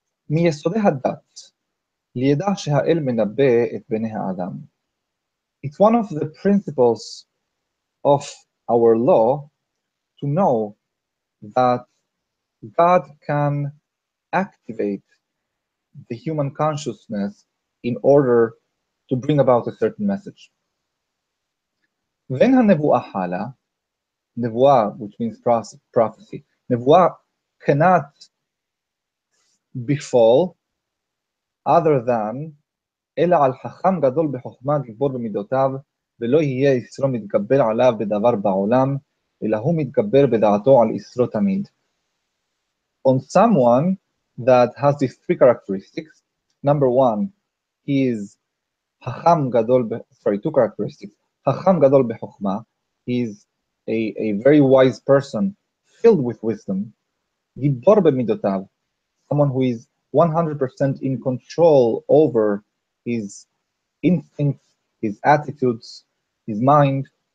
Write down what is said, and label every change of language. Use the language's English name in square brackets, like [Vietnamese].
[Hebrew] מיסודי הדת, לידע שהאל מנבא את בני האדם. [English] It's one of the principles of our law to know that God can activate the human consciousness in order to bring about a certain message. [Hebrew] ואין הנבואה חלה, נבואה, [English] which means prophecy, [Hebrew] נבואה [English] cannot befall other than [Hebrew] אלא על חכם גדול בחוכמה גיבור במידותיו ולא יהיה ישרו מתגבר עליו בדבר בעולם אלא הוא מתגבר בדעתו על ישרו תמיד. [English] On someone that has these three characteristics, number one, he is [Hebrew] חכם גדול, [English] sorry, two characteristics, [Hebrew] חכם גדול בחוכמה, [English] he is a very wise person filled with wisdom, [Hebrew] גיבור במידותיו, [English] someone who is 100% in control over his instincts, his attitudes, his mind,